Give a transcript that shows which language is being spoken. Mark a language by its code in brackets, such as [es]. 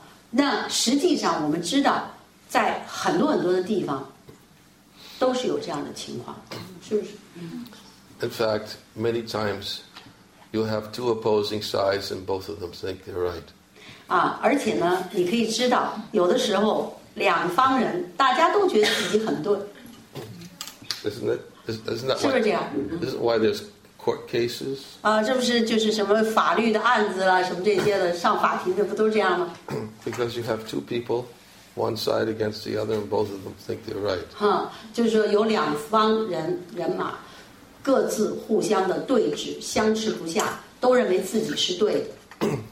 [zh] 那实际上我们知道在很多很多的地方都是有这样的情况，是不是？ [en] In fact, many times you have two opposing sides and both of them think they're right. [zh] 而且呢，你可以知道有的时候两方人大家都觉得自己很对。 [en] Isn't it? Isn't that why, [zh] 是不是这样？ [en] Isn't why there's court cases? [zh] 这不是就是什么法律的案子啦，什么这些的，上法庭的不都这样吗？ [en] Because you have two people, one side against the other, and both of them think they're right. [zh] 就是说有两方人马，各自互相的对峙，相持不下，都认为自己是对的。